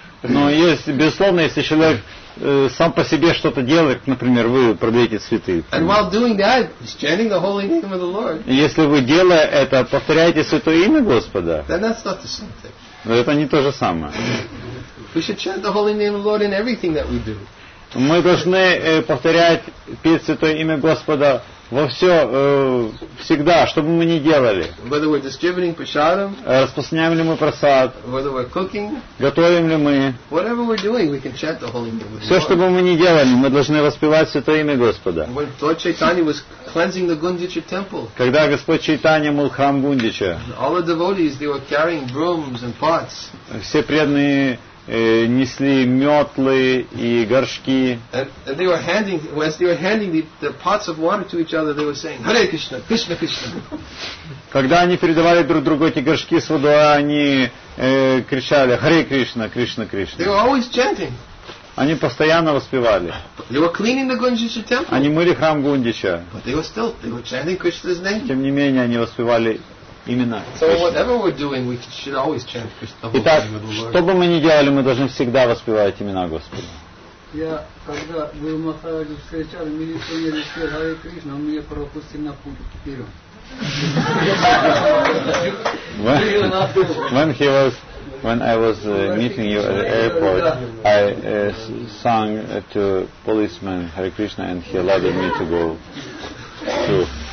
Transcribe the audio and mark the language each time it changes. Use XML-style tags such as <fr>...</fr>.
<ru>Но есть, безусловно, если человек сам по себе что-то делает, например, вы продаете цветы.</ru> <en>And while doing that, he's chanting the holy name of the Lord.</en> <ru>Если вы делая это, повторяете святое имя Господа.</ru> <en>Then that's not the same thing.</en> <ru>Но это не то же самое.</ru> <en>We should chant the holy name of the Lord in everything that we do.</en> <ru>Мы должны повторять петь святое имя Господа во все, всегда, что бы мы ни делали.</ru> <en>Whether we're distributing prasadam,</en> <ru>распространяем ли мы прасад,</ru> <en>whether we're cooking,</en> <ru>готовим ли мы,</ru> <en>whatever we're doing, we can chant the holy name of the Lord.</en> <ru>Все, что бы мы ни делали, мы должны воспевать святое имя Господа.</ru> <en>When Lord Chaitanya was cleansing the Gundicha temple,</en> <ru>когда Господь Чайтанья мыл храм Гундича,</ru> <en>all the devotees, they were carrying brooms and pots.</en> <ru>Все преданные несли метлы и горшки.</ru> <en>And they were handing, as they were handing the pots of water to each other, they were saying, Hare Krishna, Krishna Krishna.</en> <ru>Когда они передавали друг другу эти горшки с водой, они кричали, Hare Krishna, Krishna Krishna.</ru> <en>They were always chanting.</en> <ru>Они постоянно воспевали.</ru> <en>They were cleaning the Gundicha temple.</en> <ru>Они мыли храм Гундича.</ru> <en>But they were chanting Krishna's name.</en> <ru>Тем не менее, они воспевали. Именно.</ru> <en>So whatever we're doing, we should always chant Krishna.</en> <ru>Итак, что бы мы ни делали, мы должны всегда воспевать имена Господа. Я когда был в Махараджи встречал, милиционеры спели Харе Кришна, он меня пропустил на путь к первым.</ru> <en>When I was meeting you at the airport, I sang to policeman Hare Krishna, and he allowed me to go through.</en>